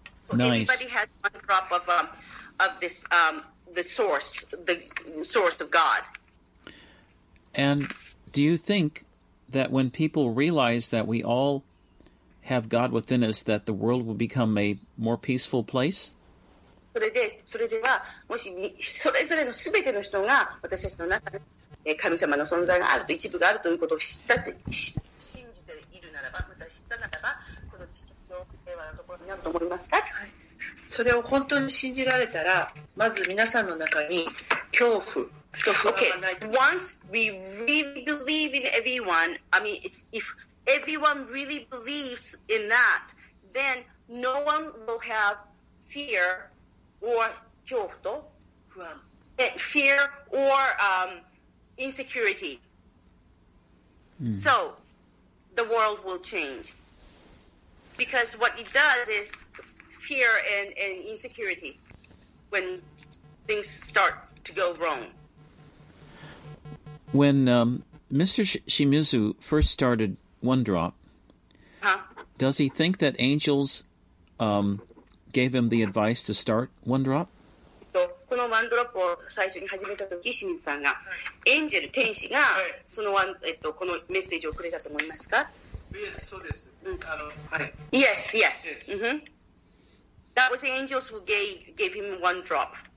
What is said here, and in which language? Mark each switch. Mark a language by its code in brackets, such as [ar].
[en] Everybody has one drop of the source of God. And do you think that when people realize that we allHave God within us, that the world will become a more peaceful place? [ja] それではもしそれぞれのすべての人が私たちの中に神様の存在があると一部があるということを知ったと信じているならば、また知ったならば、この地球の平和のところになると思いますか、はい、それを本当に信じられたら、まず皆さんの中に恐怖、恐怖がない。 [en] Okay. Once we really believe in everyone, I mean, ifEveryone really believes in that, then no one will have fear or [ja] 恐怖と不安 [en] fear or insecurity.、 Mm. So the world will change. Because what it does is fear and insecurity when things start to go wrong. When Mr. Shimizu first started. One drop. Huh? Does he think that angels gave him the advice to start one drop? [ja] このワンドロップを最初に始めたとき、清水さんが、エンジェル、天使が、そのワン、このメッセージをくれたと思いますか? [en] Yes, [ja] そうです。 [en] Yes, yes. Mm-hmm. That was the angels who gave him one drop.